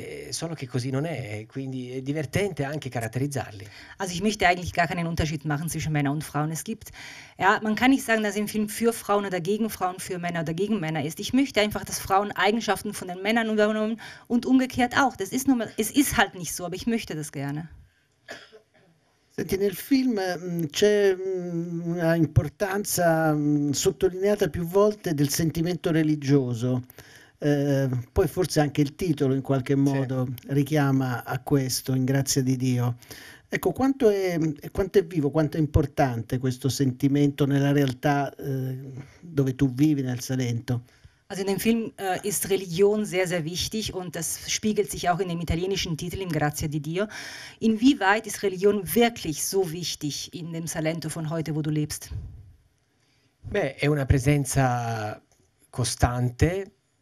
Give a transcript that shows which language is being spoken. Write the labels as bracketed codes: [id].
[it] Solo che così non è, quindi è divertente anche caratterizzarli. [de] Also ich möchte eigentlich gar keinen Unterschied machen zwischen Männern und Frauen. Es gibt, ja, man kann nicht sagen, dass ein Film für Frauen oder gegen Frauen, für Männer oder gegen Männer ist. Ich möchte einfach, dass Frauen Eigenschaften von den Männern übernommen und umgekehrt auch. Das ist nur mal, es ist halt nicht so, aber ich möchte das gerne. [it] Senti, nel film c'è una importanza sottolineata più volte del sentimento religioso. Poi forse anche il titolo in qualche modo sì. Richiama a questo, in grazia di Dio. Ecco, quanto è vivo, quanto è importante questo sentimento nella realtà dove tu vivi nel Salento? [de] Also in dem Film ist Religion sehr, sehr wichtig und das spiegelt sich auch in dem italienischen Titel, in Grazia di Dio. Inwieweit ist Religion wirklich so wichtig in dem Salento von heute, wo du lebst? [it] Beh, è una presenza costante.